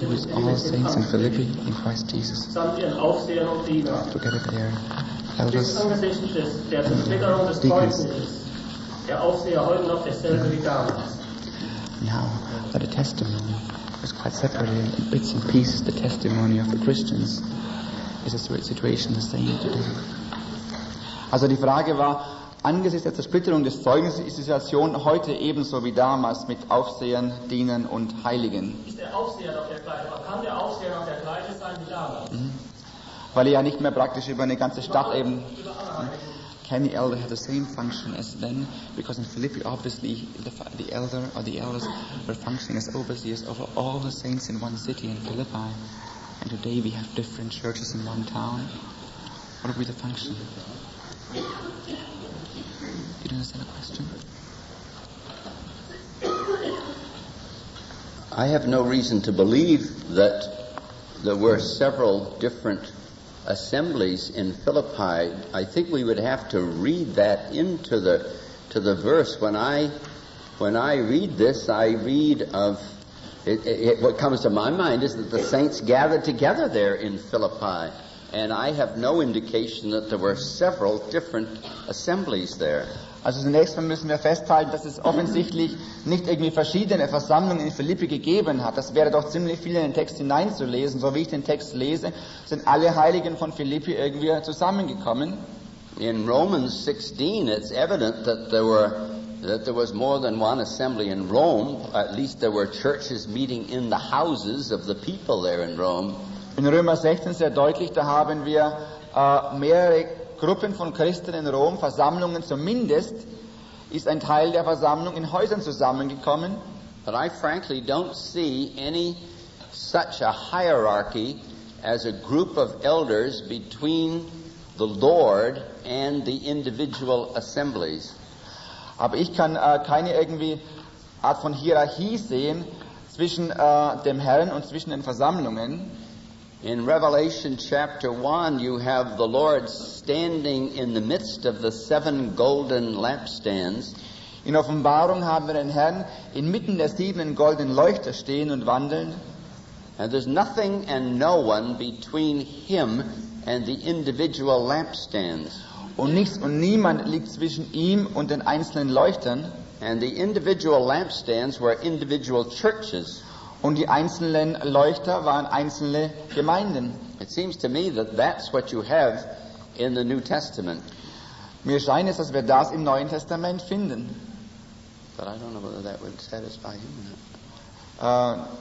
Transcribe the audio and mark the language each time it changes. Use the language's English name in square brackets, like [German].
[English] who is all saints in Philippi, in Christ Jesus, [German] samt ihren Aufsehern und Dienern, [English] together there, [German] elders, angesichts der Zersplitterung des Kreuzes, der Aufseher heute noch derselbe wie damals. [English] Now, that a testimony is quite separated in bits and pieces, the testimony of the Christians is a situation the same today. [German] Also die Frage war, angesichts der Zersplitterung des Zeugnisses ist die Situation heute ebenso wie damals mit Aufsehern, Dienern und Heiligen. Ist der Aufseher noch der gleiche? Aber kann der Aufseher noch der gleiche sein wie damals? Weil er ja nicht mehr praktisch über eine ganze Stadt eben... [English] Can the elder have the same function as then? Because in Philippi, obviously, the elder or the elders were functioning as overseers over all the saints in one city in Philippi. And today we have different churches in one town. What would be the function? Do you understand the question? I have no reason to believe that there were several different assemblies in Philippi. I think we would have to read that into the verse. When I read this, I read of it, what comes to my mind is that the saints gathered together there in Philippi, and I have no indication that there were several different assemblies there. [German] Also zunächst mal müssen wir festhalten, dass es offensichtlich nicht irgendwie verschiedene Versammlungen in Philippi gegeben hat. Das wäre doch ziemlich viel in den Text hineinzulesen. So wie ich den Text lese, sind alle Heiligen von Philippi irgendwie zusammengekommen. [English] In Romans 16 it's evident that there was more than one assembly in Rome. At least there were churches meeting in the houses of the people there in Rome. [German] In Römer 16 sehr deutlich, da haben wir mehrere Gruppen von Christen in Rom, Versammlungen zumindest, ist ein Teil der Versammlung in Häusern zusammengekommen. [English] But I frankly don't see any such a hierarchy as a group of elders between the Lord and the individual assemblies. [German] Aber ich kann keine irgendwie Art von Hierarchie sehen zwischen dem Herrn und zwischen den Versammlungen. [English] In Revelation chapter 1, you have the Lord standing in the midst of the seven golden lampstands. [German] In Offenbarung haben wir den Herrn inmitten der sieben goldenen Leuchter stehen und wandeln. [English] And there's nothing and no one between him and the individual lampstands. [German] Und nichts und niemand liegt zwischen ihm und den einzelnen Leuchtern. [English] And the individual lampstands were individual churches. [German] Und die einzelnen Leuchter waren einzelne Gemeinden. [English] It seems to me that that's what you have in the New Testament. [German] Mir scheint es, dass wir das im Neuen Testament finden. [English] But I don't know whether that would satisfy you or not.